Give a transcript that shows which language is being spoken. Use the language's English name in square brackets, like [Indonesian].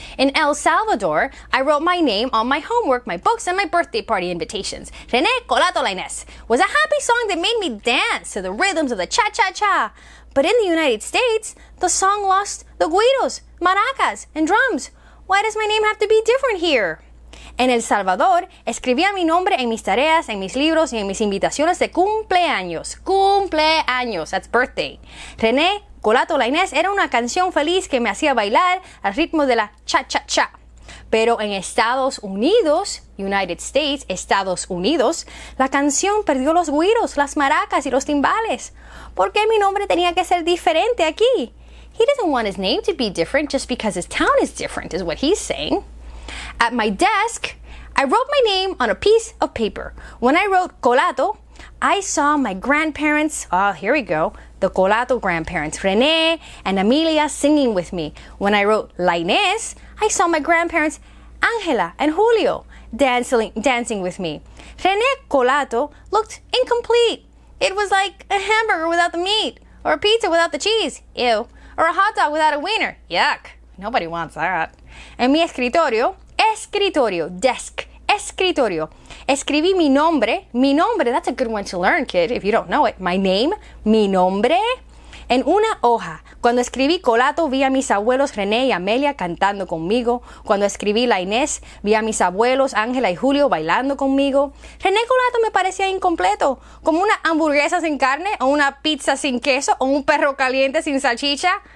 [English] In El Salvador, I wrote my name on my homework, my books, and my birthday party invitations. René Colato Laínez was a happy song that made me dance to the rhythms of the cha-cha-cha. But in the United States, the song lost the güiros, maracas, and drums. Why does my name have to be different here? [Spanish] En El Salvador, escribía mi nombre en mis tareas, en mis libros, y en mis invitaciones de cumpleaños. Cumpleaños, [English] that's birthday. [Spanish] René Colato Laínez era una canción feliz que me hacía bailar al ritmo de la cha-cha-cha. Pero en Estados Unidos, [English] United States, [Spanish] Estados Unidos, la canción perdió los güiros, las maracas y los timbales. ¿Por qué mi nombre tenía que ser diferente aquí? [English] He doesn't want his name to be different just because his town is different, is what he's saying. At my desk, I wrote my name on a piece of paper. When I wrote Colato, I saw my grandparents, oh, here we go, the Colato grandparents, René and Amelia, singing with me. When I wrote Laínez, I saw my grandparents, Angela and Julio, dancing with me. René Colato looked incomplete. It was like a hamburger without the meat, or a pizza without the cheese, ew, or a hot dog without a wiener, yuck, nobody wants that. [Spanish] En mi escritorio, desk, escritorio. Escribí mi nombre, [English] that's a good one to learn, kid, if you don't know it. My name, [Spanish] mi nombre, en una hoja. Cuando escribí Colato, vi a mis abuelos René y Amelia cantando conmigo. Cuando escribí Laínez, vi a mis abuelos Ángela y Julio bailando conmigo. René Colato me parecía incompleto, como una hamburguesa sin carne, o una pizza sin queso, o un perro caliente sin salchicha.